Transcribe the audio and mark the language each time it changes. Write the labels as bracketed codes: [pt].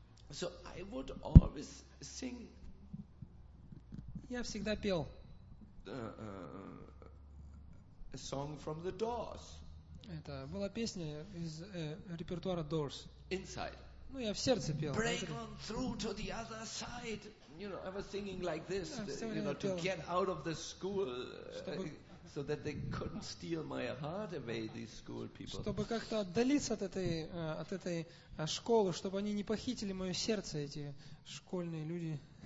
[en] So I would always sing. [ru] Я всегда пел. [en] A song from the Doors. [ru] Это была песня из репертуара Doors. [en] Inside. [ru] Ну я в сердце пел. [en] Break on through to the other side. You know, I was singing like this, to get out of the school, so that they couldn't steal my heart away, these school people. [ru] Чтобы как-то отдалиться от этой школы, чтобы они не похитили мое сердце, эти школьные люди.